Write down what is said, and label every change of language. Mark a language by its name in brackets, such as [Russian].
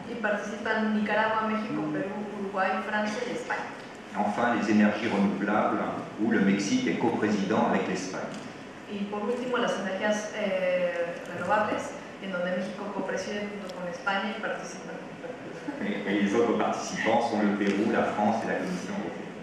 [Spanish] Y participan Nicaragua, México, Perú, Uruguay, Francia y España. [French] Enfin, les énergies renouvelables, où le Mexique est coprésident avec l'Espagne. [Spanish] Y por último, las energías renovables, en donde México copreside junto con España y participan. [French] Et les autres participants sont le Pérou, la France et la Commission européenne.